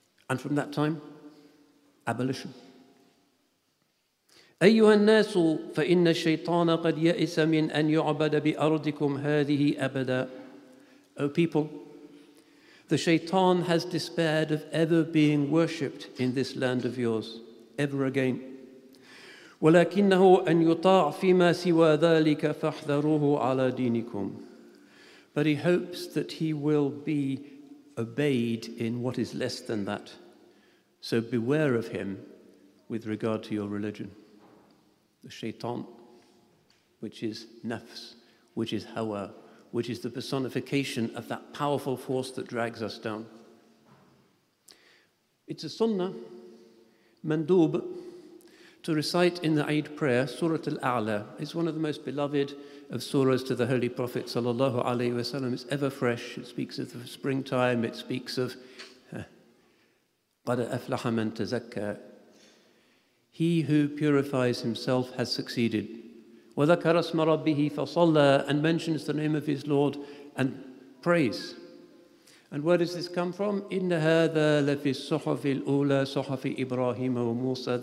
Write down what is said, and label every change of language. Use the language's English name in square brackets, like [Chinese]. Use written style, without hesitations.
[English] And from that time, abolition. [Arabic] أيها الناس فإن الشيطان قد يئس من أن يعبد بأرضكم هذه أبدا. [English] O people, the shaitan has despaired of ever being worshipped in this land of yours, ever again. [Arabic] ولكنه أن يطاع فيما سوى ذلك فاحذروه على دينكم. [English] But he hopes that he will be obeyed in what is less than that. So beware of him with regard to your religion. The shaitan, which is nafs, which is hawa, which is the personification of that powerful force that drags us down. It's a sunnah, mandub, to recite in the Eid prayer, Surah Al-A'la. It's one of the most beloved of surahs to the Holy Prophet, sallallahu alayhi wa sallam. It's ever fresh. It speaks of the springtime. It speaks of [Arabic] قَدَ أَفْلَحَ مَنْ تَزَكَّى. [English] He who purifies himself has succeeded. [Arabic] وَذَكَرَ اسْمَ رَبِّهِ فَصَلَّى. [English] And mentions the name of his Lord and prays. And where does this come from? [Arabic] إِنَّ هَذَا لَفِي الصُّحُفِ الْأُولَى صُحُفِ إِبْرَاهِيمَ وَمُوسَى.